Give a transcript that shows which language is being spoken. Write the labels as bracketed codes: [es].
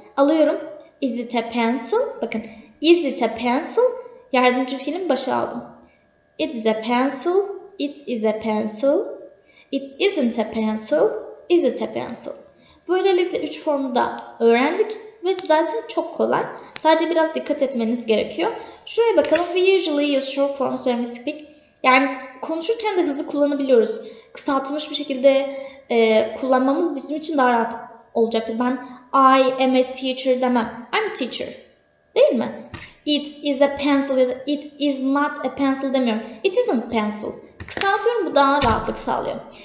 [tr] Alıyorum. [en] Is it a pencil? [tr] Bakın. [en] Is it a pencil? [tr] Yardımcı fiilin başa aldım. [en] It is a pencil. It is a pencil. It isn't a pencil. Is it a pencil? [tr] Böylelikle 3 formu da öğrendik ve zaten çok kolay. Sadece biraz dikkat etmeniz gerekiyor. Şuraya bakalım. [en] We usually use short forms when we speak. [tr] Yani konuşurken de hızlı kullanabiliyoruz. Kısaltılmış bir şekilde kullanmamız bizim için daha rahat olacaktır. Ben [en] I am a teacher [tr] demem. [en] I'm a teacher. [tr] Değil mi? [en] It is a pencil [tr] ya da [en] it is not a pencil [tr] demiyorum. [en] It isn't a pencil. [tr] Kısaltıyorum, bu daha rahatlık sağlıyor.